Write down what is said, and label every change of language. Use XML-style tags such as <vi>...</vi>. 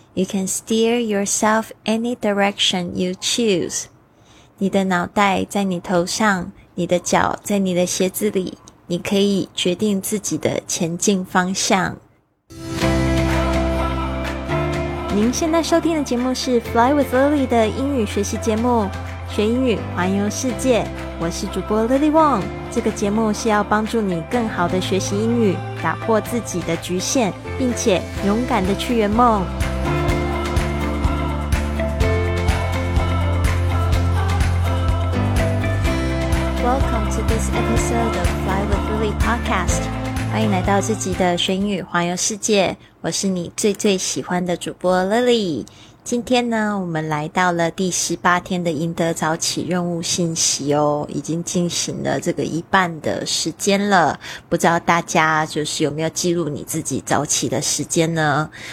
<en>You can steer yourself any direction you choose.</en> <zh>你的脑袋在你头上，你的脚在你的鞋子里，你可以决定自己的前进方向。您现在收听的节目是 Fly with Lily 的英语学习节目，学英语环游世界。我是主播 Lily Wong， 这个节目是要帮助你更好的学习英语，打破自己的局限，并且勇敢的去圆梦。</zh> <en>Welcome to this episode of Fly with Lily podcast.</en> <zh>欢迎来到自己的学英语环游世界，我是你最最喜欢的主播 Lily。今天呢，我们来到了第18天的赢得早起任务信息哦，已经进行了这个一半的时间了。不知道大家就是有没有记录你自己早起的时间呢？</zh>